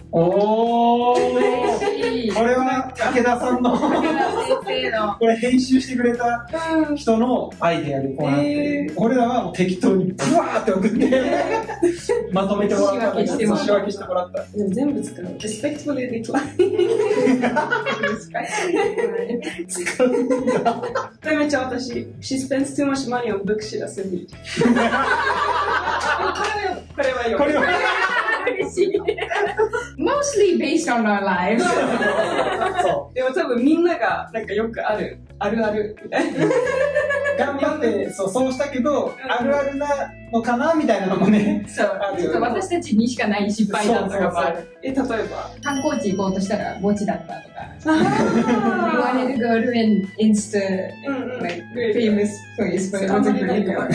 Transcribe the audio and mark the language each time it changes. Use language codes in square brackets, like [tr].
[ja] おー、これは武田さんの、これ編集してくれた人のアイデアでこうなって、これらはもう適当にブワーって送って、まとめてもらった、仕分けしてもらった。でも全部作ろう。リスペクトでできない。使うんだ。めっちゃ私、 [en] She spends too much money on books she doesn't need。 [ja] これはよ。これはよ。嬉しい。 [en] Mostly based on our lives. [ja] でも多分みんながなんかよくあるあるあるみたいな。頑張ってそうしたけど、うん、あるあるなのかなみたいなのもね。そう。ちょっと私たちにしかない失敗だとかもある。そうそうそう。例えば観光地行こうとしたら墓地だったとか。 [en] You wanted to go to an Insta famous place, but it wasn't very good.